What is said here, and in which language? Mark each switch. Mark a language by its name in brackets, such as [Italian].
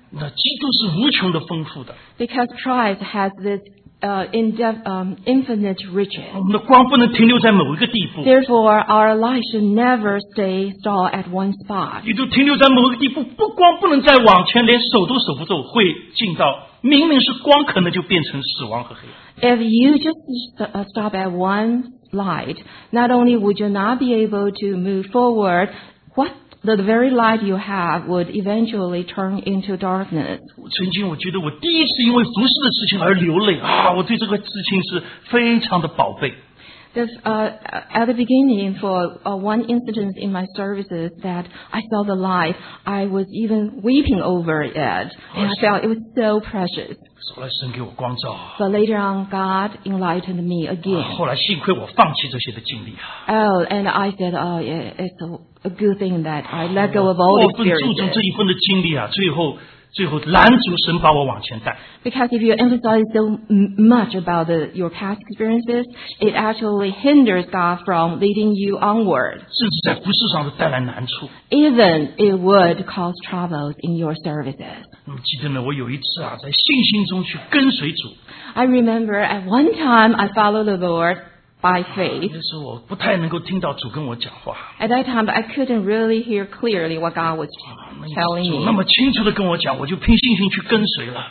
[Chinese] 那基督是无穷的丰富的 [English] Because Christ has this. Infinite riches. [Chinese] 我们的光不能停留在某一个地步。 [English] Therefore, our light should never stay still at one spot. [Chinese] 你都停留在某一个地步，不光不能再往前，连守都守不住，会进到明明是光，可能就变成死亡和黑暗。 [English] If you just stop at one light, not only would you not be able to move forward, what the very light you have would eventually turn into darkness. [Chinese] 曾经我觉得我第一次因为服事的事情而流泪啊，我对这个事情是非常的宝贝。 [English] This, at the beginning, for one incident in my services that I saw the light, I was even weeping over it, and I felt it was so precious. [Chinese] 后来神给我光照。 [English] But later on, God enlightened me again. [Chinese] 后来幸亏我放弃这些的经历啊。 [English] Oh, and I said, oh, yeah, it's a good thing that I let go of all experiences. [Chinese] 我更注重这一份的经历啊，最后拦阻神把我往前带。 [English] Because if you emphasize so much about your past experiences, it actually hinders God from leading you onward. [Chinese] 甚至在服事上都带来难处。 [English] Even it would cause troubles in your services. [Chinese] 那么记得呢，我有一次啊，在信心中去跟随主。 [English] I remember at one time I followed the Lord. By faith. [Chinese] 那时候我不太能够听到主跟我讲话。 [English] At that time, I couldn't really hear clearly what God was telling me. [Chinese] 主那么清楚地跟我讲，我就凭信心去跟随了。